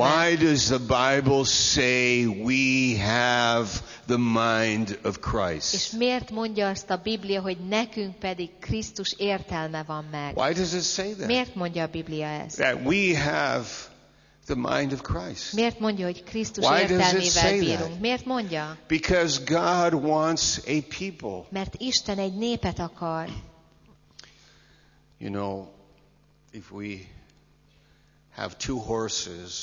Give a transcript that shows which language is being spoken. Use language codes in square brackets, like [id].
[en] And why does the Bible say we have the mind of Christ? [hu] És miért mondja azt a Biblia, hogy nekünk pedig Krisztus értelme van meg? [en] Why does it say that? [hu] Miért mondja a Biblia ezt? [en] That we have the mind of Christ. [hu] Miért mondja, hogy Krisztus értelmével bírunk? Miért mondja? [en] Because God wants a people. [hu] Mert Isten egy népet akar. [en] You know, if we have two horses,